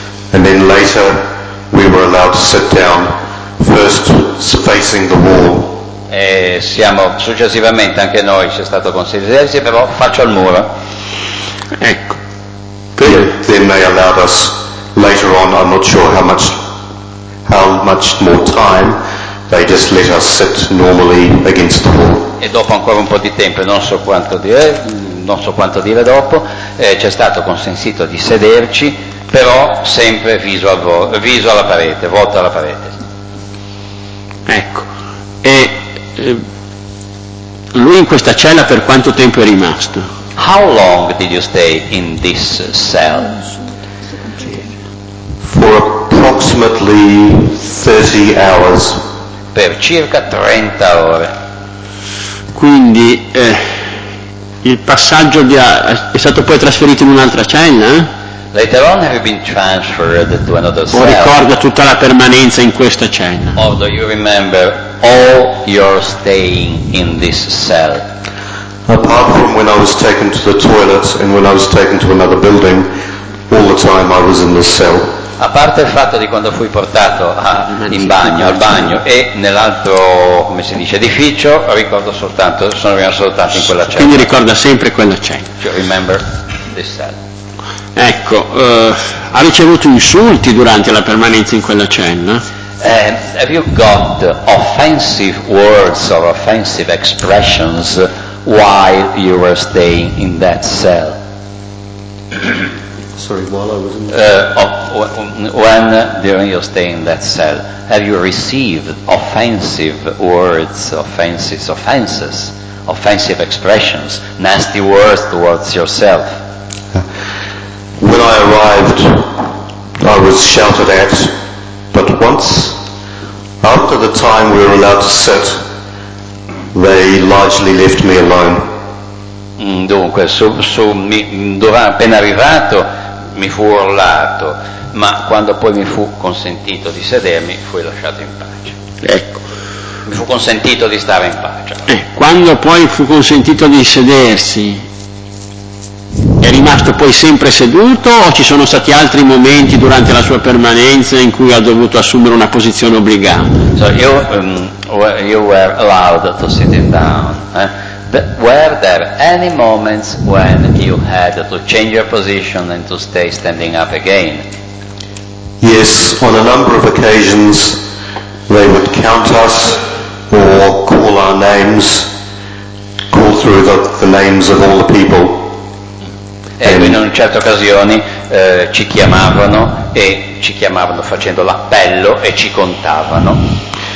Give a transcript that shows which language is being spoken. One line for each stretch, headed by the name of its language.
English: And then later we were allowed to sit down first facing the wall.
Italian: E siamo successivamente anche noi ci è stato consentito sedersi, però faccio al muro. Ecco.
English: Then they allowed us later on, I'm not sure how much more time, they just let us sit normally against the wall.
Italian: E dopo ancora un po' di tempo, non so quanto dire dopo, ci è stato consentito di sederci, però sempre volto alla parete. Ecco, e lui in questa cella per quanto tempo è rimasto?
English: How long did you stay in this cell? For approximately 30 hours.
Italian: Per circa 30 ore. Quindi il passaggio è stato poi trasferito in un'altra cella?
English: Later on have you been transferred to another cell?
Italian: O ricorda tutta la permanenza in questa cella?
English: Or do you remember all your staying in this cell? Apart from when I was taken to the toilet and when I was taken to another building, all the time I was in this cell.
Italian: A parte il fatto di quando fui portato al bagno e nell'altro, come si dice, edificio, ricordo soltanto, sono rimasto soltanto in quella cella. Quindi ricorda sempre quella cella.
English: You remember this cell.
Italian: Ecco, ha ricevuto insulti durante la permanenza in quella cella?
English: Have you got offensive words or offensive expressions while you were staying in that cell? Sorry, while I was in that when during your stay in that cell, have you received offensive words, offensive expressions, nasty words towards yourself? When I arrived, I was shouted at, but once, after the time we were allowed to sit, they largely left me alone.
Italian: Dunque, appena arrivato mi fu urlato, ma quando poi mi fu consentito di sedermi, fui lasciato in pace. Ecco. Mi fu consentito di stare in pace. Quando poi fu consentito di sedersi, è rimasto poi sempre seduto o ci sono stati altri momenti durante la sua permanenza in cui ha dovuto assumere una posizione obbligata?
English: So you were allowed to sit down. Were there any moments when you had to change your position and to stay standing up again? Yes, on a number of occasions they would count us or call our names, call through the names of all the people.
Italian: E quindi in certe occasioni ci chiamavano e ci chiamavano facendo l'appello e ci contavano.